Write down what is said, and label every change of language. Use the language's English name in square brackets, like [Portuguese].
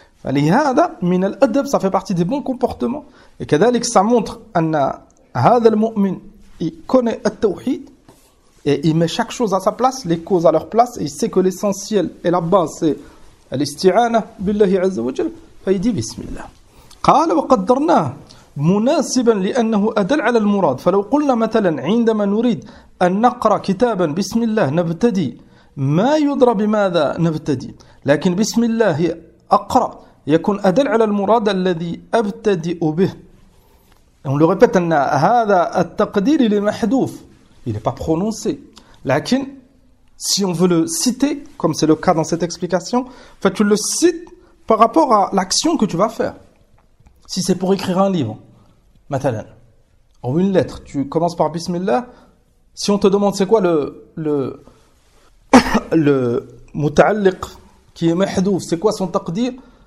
[Arabic] فلهذا من الأدب [French] ça fait partie des bons comportements et كذلك ça montre [Arabic] أن هذا المؤمن [French] connaît التوحيد et il met chaque chose à sa place, les causes à leur place et il sait que l'essentiel et la base c'est [Arabic] الاستعانة بالله عز وجل فيدي بسم الله. قال وقدرناه مناسبا لأنه أدل على المراد فلو قلنا مثلا عندما نريد أن نقرأ كتابا بسم الله نبتدي ما يدرى بماذا نبتدي لكن بسم الله أقرأ يكون أدل على المراد الذي أبتدئ به. [French] On le répète [Arabic] أن هذا التقدير للمحذوف [French] il n'est pas prononcé لكن si on veut le citer comme c'est le cas dans cette explication tu le cites par rapport à l'action que tu vas faire. Si c'est pour écrire un livre مثلا ou une lettre tu commences par Bismillah si on te demande c'est quoi le متعلق qui est محذوف c'est quoi son تقدير